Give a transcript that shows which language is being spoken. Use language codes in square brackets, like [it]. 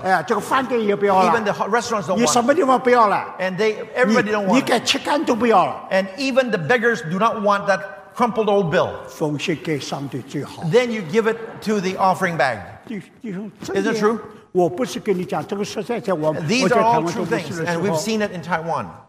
[en] Even the restaurants don't want it. Everybody don't want it. [zh] 你给吃干都不要了。 [en] And even the beggars do not want that crumpled old bill. Then you give it to the offering bag. Is it true? [zh] 我不是跟你讲,这个实在在我们, [en] These are all true things, and we've seen it in Taiwan.